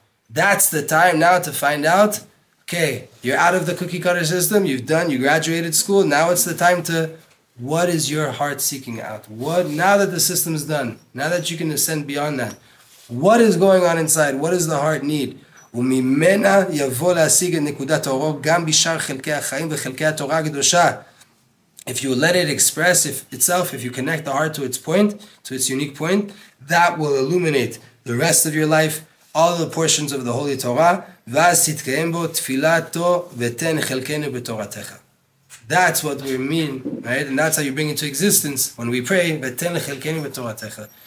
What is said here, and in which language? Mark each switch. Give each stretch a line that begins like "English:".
English: That's the time now to find out, okay, you're out of the cookie cutter system, you've done, you graduated school, now it's the time to, what is your heart seeking out? What, now that the system is done, now that you can ascend beyond that, what is going on inside? What does the heart need?
Hebrew: וממנה יבוא להשיג את נקודת אורו גם בשאר חלקי החיים וחלקי התורה הקדושה.
English: If you let it express itself, if you connect the heart to its point, to its unique point, that will illuminate the rest of your life, all the portions of the Holy Torah,
Hebrew: ואז תתקיים בו תפילתו ותן חלקנו בתורתך.
English: That's what we mean, right? And that's how you bring into existence when we pray,
Hebrew: ותן לחלקנו בתורתך.